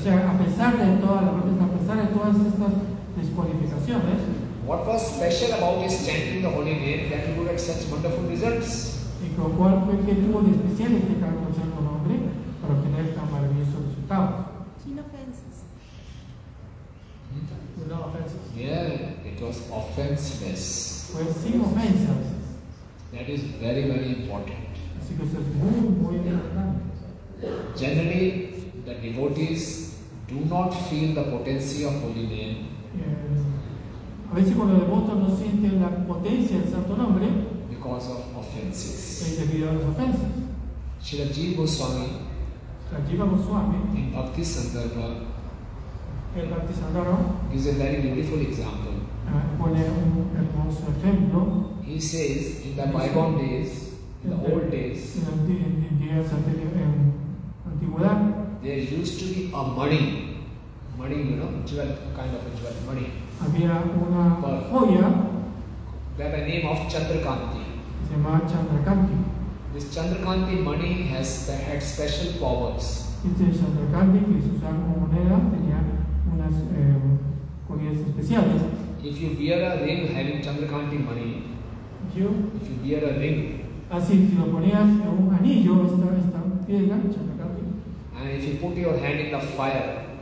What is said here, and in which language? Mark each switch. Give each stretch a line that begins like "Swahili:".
Spanish: O sea, a pesar de todas estas desqualificaciones.
English: What was special about his chanting the holy name that he would get such wonderful results?
Spanish: ¿Y cuál fue que tuvo de especial este canto de santo nombre para obtener tan maravilloso resultado? Sin ofensas. No ofensas.
English: Yeah, it was offenseless.
Spanish: Fue sin ofensas.
English: That is very, very important.
Spanish: Así que eso es muy, muy importante.
English: Generally, the devotees do not feel the potency of holy name.
Spanish: A veces cuando los devotos no sienten la potencia del santo nombre.
English: Because of offenses.
Spanish: Es debido a las ofensas.
English: Srila Jiva Goswami.
Spanish: Jiva Goswami.
English: In Bhakti Sandarbha.
Spanish: El Bhakti Sandarbha.
English: Gives a very beautiful example.
Spanish: Pone un hermoso ejemplo.
English: He says in the bygone days, in the old days.
Spanish: En días anteriores.
English: There used to be a money, you know, jewel, kind of a jewel, money.
Spanish: Había una joya.
English: They have a name of Chandrakanti.
Spanish: Se llama Chandrakanti.
English: This Chandrakanti money has had special powers.
Spanish: Este Chandrakanti que se usaba como moneda tenía unas cualidades especiales.
English: If you wear a ring having Chandrakanti money, if you wear a ring,
Spanish: así si lo ponías en un anillo esta piedra Chandrakanti.
English: And if you put your hand in the fire,